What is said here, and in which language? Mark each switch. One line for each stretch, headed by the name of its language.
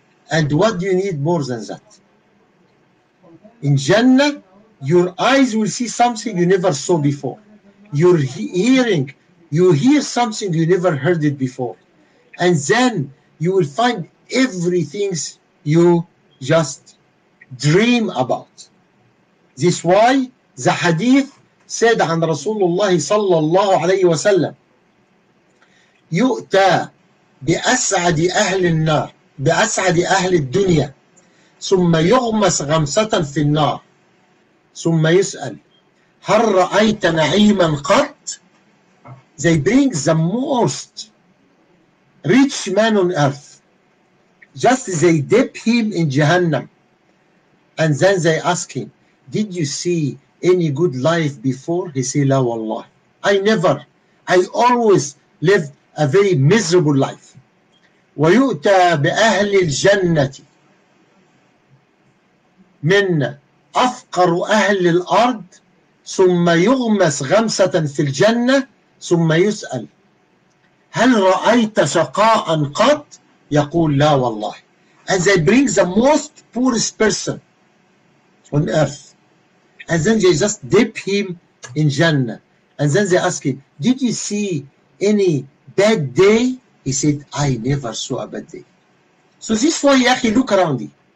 English: And what do you need more than that? In Jannah, your eyes will see something you never saw before. Your hearing, you hear something you never heard it before. And then you will find everything you just dream about. This why the hadith said
Arabic: عن رسول الله صلى الله عليه وسلم يؤتى بأسعد أهل النار بأسعد أهل الدنيا ثم يغمس غمسة في النار ثم يسأل هل رأيت نعيما قط؟
English: They bring the most rich man on earth. Just they dip him in Jahannam. And then they ask him, did you see any good life before? He said,
Arabic: La wallah.
English: I always lived a very miserable life.
Arabic: ويؤتى بأهل الجنة من أفقر أهل الأرض ثم يغمس غمسة في الجنة ثم يسأل هل رأيت شقاء قط؟ يقول لا والله.
English: And they bring the most poorest person on earth. And then they just dip him in Jannah. And then they ask him, did you see any bad day? He said, I never saw a bad day. So this is why, Yahi, look around you.